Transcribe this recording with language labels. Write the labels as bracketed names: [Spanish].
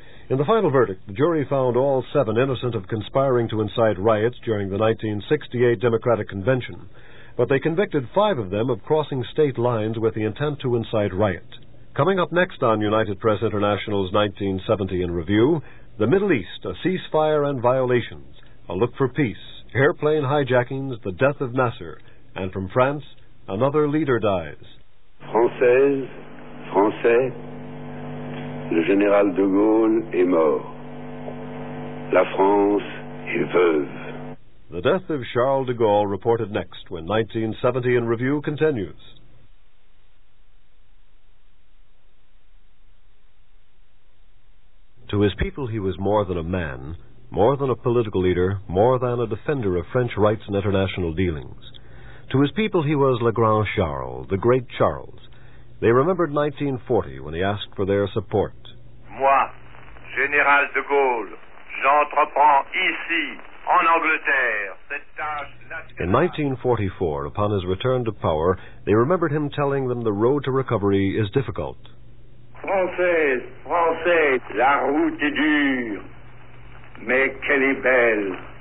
[English] In the final verdict, the jury found all seven innocent of conspiring to incite riots during the 1968 Democratic Convention, but they convicted five of them of crossing state lines with the intent to incite riot. Coming up next on United Press International's 1970 in Review, the Middle East, a ceasefire and violations, a look for peace airplane hijackings, the death of Nasser, and from France, another leader dies. [French] Française, Français, le général de Gaulle est mort. La France est veuve. [English] The death of Charles de Gaulle reported next when 1970 in Review continues. To his people, he was more than a man, more than a political leader, more than a defender of French rights and international dealings. To his people, he was Le Grand Charles, the Great Charles. They remembered 1940 when he asked for their support. [French] Moi, Général de Gaulle, j'entreprends ici, en Angleterre, cette tâche nationale. [English] In 1944, upon his return to power, they remembered him telling them the road to recovery is difficult. [French] Française, Français, la route est dure, mais qu'elle est belle.